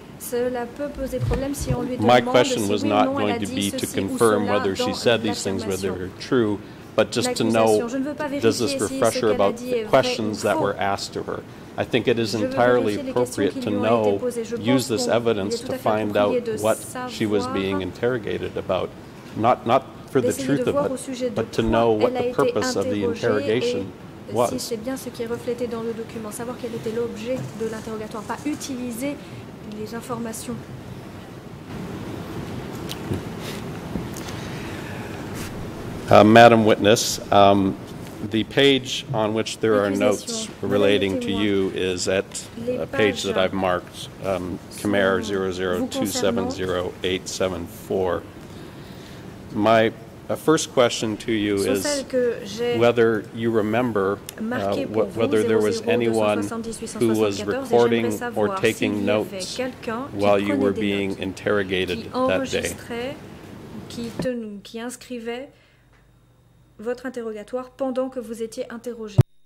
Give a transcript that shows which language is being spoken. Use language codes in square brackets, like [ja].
[en] My question was not going to be to confirm whether she said these things, whether they're true, but just to know, does this refresh her about the questions that were asked to her? I think it is entirely appropriate to know, use this evidence to find out what she was being interrogated about, not for the truth of it, but to know what the purpose of the interrogation was. [fr] Si c'est bien ce qui est reflété dans le document, savoir quel était l'objet de l'interrogatoire, pas utiliser les informations. [en] Madam witness, the page on which there are notes relating to you is at a page that I've marked, Khmer 002708-74. A first question to you is whether you remember whether there was anyone who was recording or taking notes while you were being interrogated that day. [fr] Qui inscrivait votre interrogatoire pendant que vous étiez interrogé.